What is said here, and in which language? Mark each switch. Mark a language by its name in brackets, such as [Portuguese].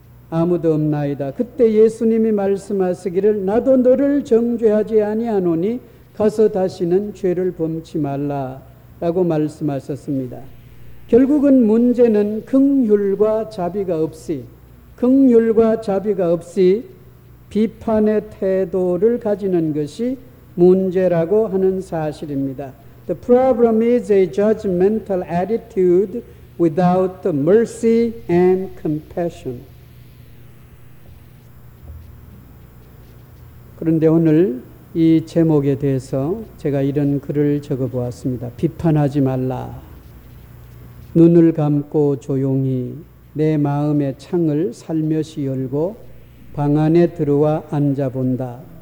[Korean] 아무도 없나이다. 그때 예수님이 말씀하시기를 나도 너를 정죄하지 아니하노니 가서 다시는 죄를 범치 말라 라고 말씀하셨습니다. 결국은 문제는 긍휼과 자비가 없이 비판의 태도를 가지는 것이 문제라고 하는 사실입니다. [English] The problem is a judgmental attitude without mercy and compassion. [Korean] 그런데 오늘 이 제목에 대해서 제가 이런 글을 적어보았습니다. 비판하지 말라. 눈을 감고 조용히 내 마음의 창을 살며시 열고 방 안에 들어와 앉아본다.